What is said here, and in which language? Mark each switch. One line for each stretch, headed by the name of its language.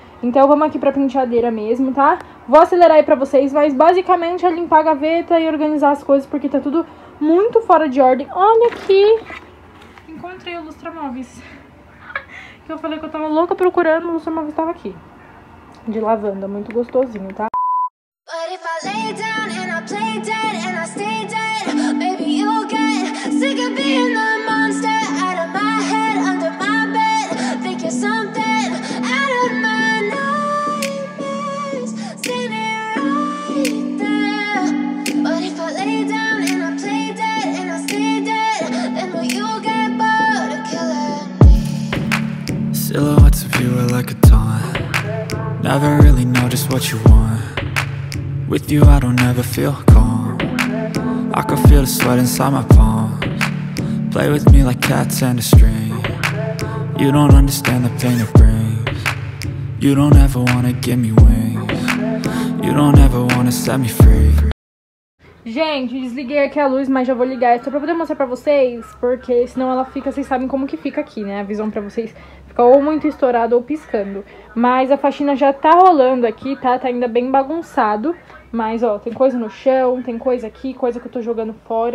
Portuguese: Então vamos aqui pra penteadeira mesmo, tá? Vou acelerar aí pra vocês, mas basicamente é limpar a gaveta e organizar as coisas, porque tá tudo muito fora de ordem. Olha aqui! Encontrei o lustramóveis. Que eu falei que eu tava louca procurando, o lustramóveis tava aqui. De lavanda, muito gostosinho, tá?
English: But if I lay down and I play dead and I stay dead, maybe you'll get sick of being the monster out of my head, under my bed. Think you're something out of my nightmares. See me right there. But if I lay down and I play dead and I stay dead, then will you get bored of killing me? Silhouettes of you are like a taunt. Never really know just what you want. With you I don't ever feel calm. I can feel the sweat inside my palms. Play with me like cats and a string. You don't understand the pain it brings. You don't ever wanna give me wings. You don't ever wanna set me free.
Portuguese: Gente, desliguei aqui a luz, mas já vou ligar. É só pra poder mostrar pra vocês, porque senão ela fica, vocês sabem como que fica aqui, né? A visão pra vocês fica ou muito estourada ou piscando. Mas a faxina já tá rolando aqui, tá? Tá ainda bem bagunçado. Mas, ó, tem coisa no chão, tem coisa aqui, coisa que eu tô jogando fora.